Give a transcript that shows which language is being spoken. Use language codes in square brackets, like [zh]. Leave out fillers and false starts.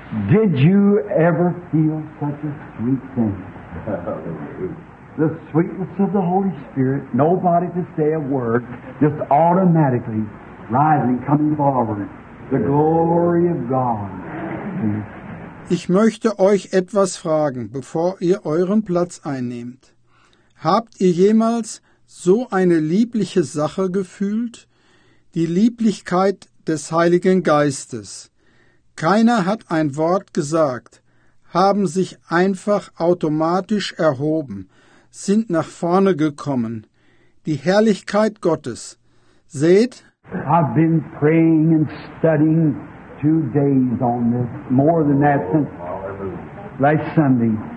[en] Did you ever feel such a sweet thing? The sweetness of the Holy Spirit, nobody to say a word, just automatically rising, coming forward. The glory of God. [de] Ich möchte euch etwas fragen, bevor ihr euren Platz einnehmt. Habt ihr jemals so eine liebliche Sache gefühlt? Die Lieblichkeit des Heiligen Geistes. Keiner hat ein Wort gesagt, haben sich einfach automatisch erhoben, sind nach vorne gekommen. Die Herrlichkeit Gottes. Seht, [en] I've been praying and studying 2 days on this, more than that since last Sunday.